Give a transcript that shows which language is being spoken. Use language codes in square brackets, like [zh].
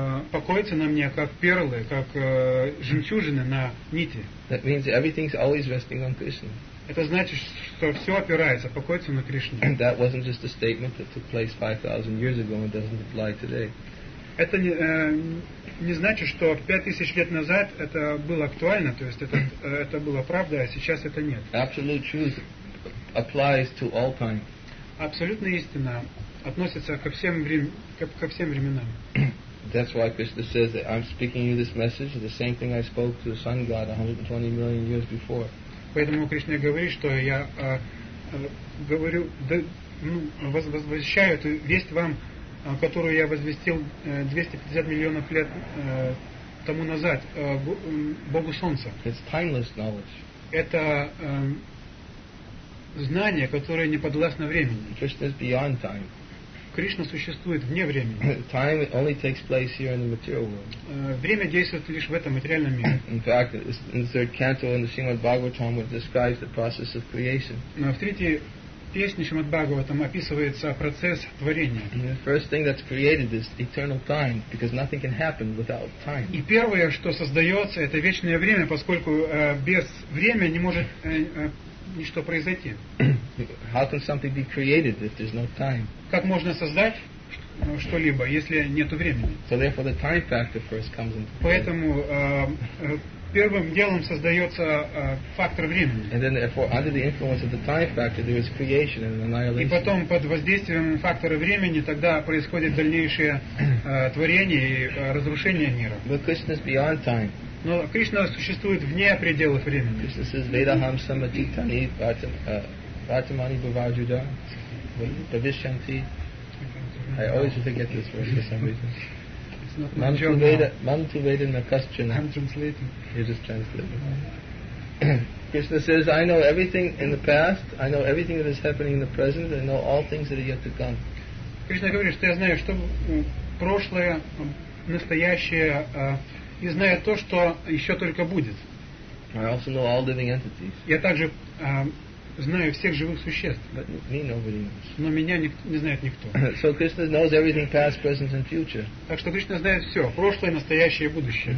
[ru] покоится на мне, как перлы, как жемчужины на нити. [en] That means everything's always resting on Krishna. [ru] Это значит, что все опирается, покоится на Кришне. [en] That wasn't just a statement that took place 5,000 years ago and doesn't apply today. [ru] Это не значит, что 5000 лет назад это было актуально, то есть это было правдой, а сейчас это нет. [en] Absolute truth applies to all time. [ru] Абсолютная истина относится ко всем временам. [en] That's why Krishna says that I'm speaking you this message, the same thing I spoke to the sun god 120 million years before. [ru] Поэтому Кришна говорит, что я говорю, возвещаю эту весть вам, которую я возвестил 250 миллионов лет тому назад Богу Солнца. [en] It's timeless knowledge. [ru] Это знание, которое не подвластно времени. [en] Krishna is beyond time. [ru] Кришна существует вне времени. [en] Time only takes place here in the material world. [ru] Время действует лишь в этом материальном мире. [en] In fact, in the third canto in the Srimad Bhagavatam, it describes the process of creation. [ru] В третьей песне Шримад Бхагаватам описывается процесс творения. [en] The first thing that's created is eternal time, because nothing can happen without time. [ru] И первое, что создается, это вечное время, поскольку без времени не может ничто произойти. [en] How can something be created if there's no time? [ru] Как можно создать что-либо, если нету времени? [en] So therefore the time factor first comes into play. [ru] Поэтому первым делом создается фактор времени. [en] And then therefore under the influence of the time factor there is creation and annihilation. [ru] И потом под воздействием фактора времени тогда происходит дальнейшее творение и разрушение мира. [en] But Krishna is beyond time. [ru] Но Кришна существует вне пределов времени. [en] Krishna says [sa] Vedaham Samaditani Vatamani Bhavajuda Bhavishyanti. [en] I always forget this word for some reason. It's not [sa] Mantu Veda Nakaschana. [en] I'm translating. You're just translating. Krishna says, I know everything in the past, I know everything that is happening in the present, I know all things that are yet to come. [ru] Krishna говорит, что я знаю, что прошлое, настоящее, и знаю то, что еще только будет. [en] I also know all living entities. [ru] Я также знаю всех живых существ. [en] But me nobody knows. [ru] Но меня не знает никто. [en] So Krishna knows everything past, present and future. [ru] Так что Кришна знает все, прошлое, настоящее и будущее.